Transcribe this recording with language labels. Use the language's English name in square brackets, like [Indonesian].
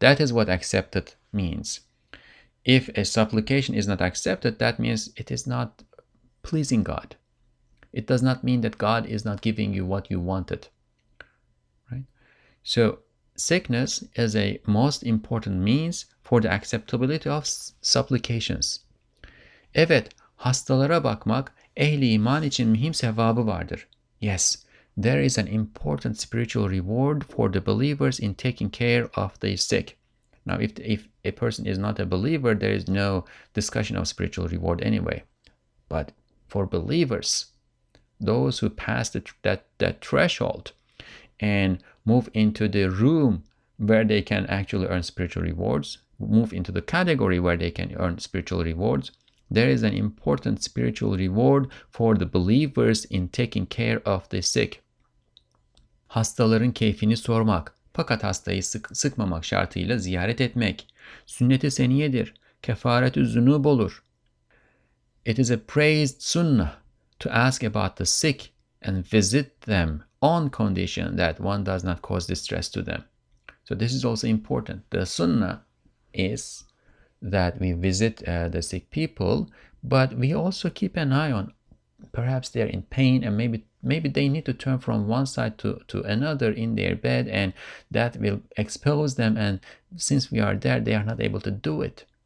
[English] That is what accepted means. If a supplication is not accepted, that means it is not pleasing God. It does not mean that God is not giving you what you wanted, right? So sickness is a most important means for the acceptability of supplications. [Turkish] Evet, hastalara bakmak ehli iman için mühim sevabı vardır. Yes, there is an important spiritual reward for the believers in taking care of the sick. Now, if a person is not a believer, there is no discussion of spiritual reward anyway. But for believers, those who pass that threshold and move into the room where they can actually earn spiritual rewards, move into the category where they can earn spiritual rewards, there is an important spiritual reward for the believers in taking care of the sick. Hastaların keyfini sormak, fakat hastayı sıkmamak şartıyla ziyaret etmek. Sünnet-i seniyedir, kefaret-i zunub olur. [English] It is a praised sunnah to ask about the sick and visit them on condition that one does not cause distress to them. So this is also important. The sunnah is that we visit the sick people, but we also keep an eye on, perhaps they're in pain and maybe they need to turn from one side to another in their bed, and that will expose them, and since we are there, they are not able to do it.